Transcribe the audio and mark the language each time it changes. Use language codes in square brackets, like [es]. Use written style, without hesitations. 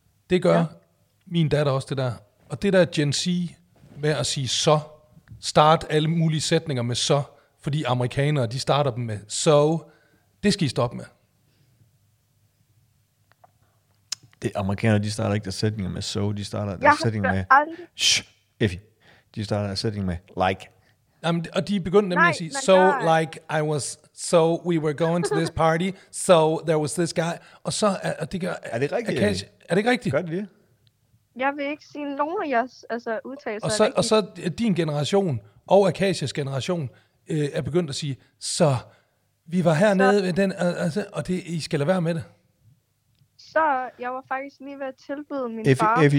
[da] Det gør min datter også, det der. Og det der Gen Z med at sige så. Start alle mulige sætninger med så. Fordi amerikanere, de starter dem med så. Det skal I stoppe med. Det amerikanere, de starter ikke der sætninger med så. De starter der sætninger med... Effie. De starter der sætninger med like. Jamen, og de begyndte nemlig at sige, [en] so like I was, so we were going to this party, so there was this guy, [da] og så, og de gør, er det rigtigt? Er det ikke rigtigt? Gør det lige. Jeg vil ikke sige nogen af jeres udtalelser. Og så din generation, og Akasias generation, er begyndt at sige, så vi var hernede ved den, og det, I skal lade være med det. Så jeg var faktisk lige ved at tilbyde min far.